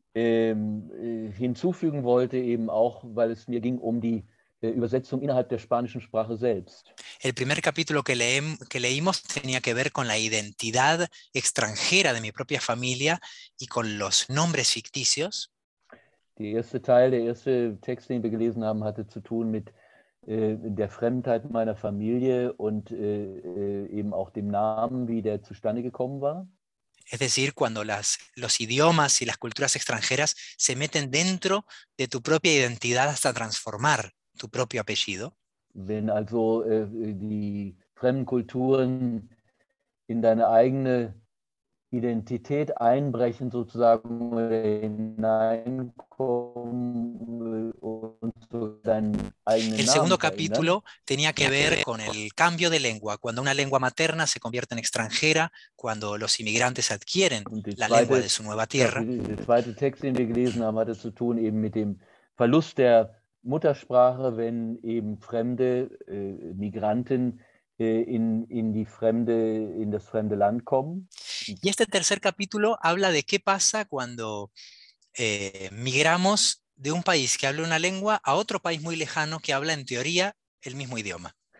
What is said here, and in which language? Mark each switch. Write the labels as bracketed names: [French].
[German] Hinzufügen wollte eben auch, weil es mir ging um die Übersetzung innerhalb der spanischen Sprache selbst. [Spanish] El primer capítulo que leímos tenía que ver con la identidad extranjera de mi propia familia y con los nombres ficticios. [German] Der erste Text, den wir gelesen haben, hatte zu tun mit der Fremdheit meiner Familie und eben auch dem Namen, wie der zustande gekommen war. [Spanish] Es decir, cuando los idiomas y las culturas extranjeras se meten dentro de tu propia identidad hasta transformar tu propio apellido. [German] Wenn also die fremden Kulturen in deine eigene Identität einbrechen sozusagen oder hineinkommen und so deinen eigenen [Spanish] El segundo capítulo tenía que ver con el cambio de lengua, cuando una lengua materna se convierte en extranjera, cuando los inmigrantes adquieren la lengua de su nueva tierra. [German] Der zweite Text, den wir gelesen haben, hatte zu tun eben mit dem Verlust der Muttersprache, wenn eben fremde Migranten in das fremde Land kommen. [Spanish] Y este tercer capítulo habla de qué pasa cuando migramos de un país que habla una lengua a otro país muy lejano que habla en teoría el mismo idioma.